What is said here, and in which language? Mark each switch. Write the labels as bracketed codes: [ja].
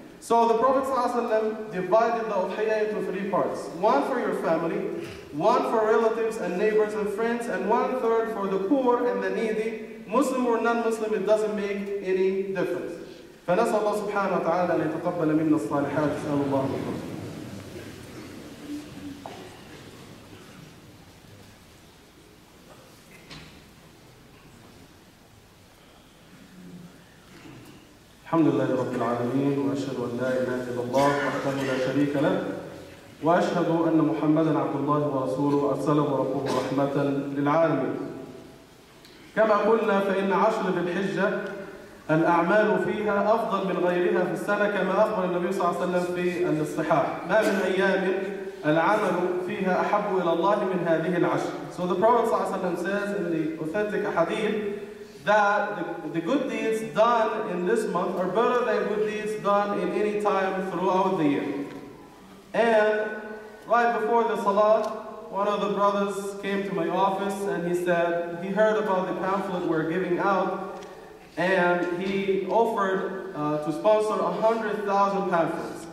[en] So the Prophet [ar] صلى الله عليه وسلم [en] divided the udhiyya into 3 parts: one for your family, one for relatives and neighbors and friends, and 1/3 for the poor and the needy. Muslim or non-Muslim, it doesn't make any difference. [ar] فنسأل الله سبحانه وتعالى أن يتقبل منا الصالحات. نسأل الله أن يتقبل. الحمد لله رب العالمين وأشهد أن لا إله إلا الله وحده لا شريك له وأشهد أن محمدا عبد الله ورسوله أرسله ربه رحمة للعالمين. كما قلنا فإن 10 ذي الحجة الأعمال فيها أفضل من غيرها في السنة كما أخبر النبي صلى الله عليه وسلم في الاصطحاح. ما من أيام العمل فيها أحب إلى الله من هذه 10. [en] So the Prophet [ar] صلى الله عليه وسلم [en] says in the authentic hadith that the good deeds done in this month are better than good deeds done in any time throughout the year. And right before the Salat, one of the brothers came to my office and he said he heard about the pamphlet we're giving out, and he offered to sponsor 100,000 pamphlets.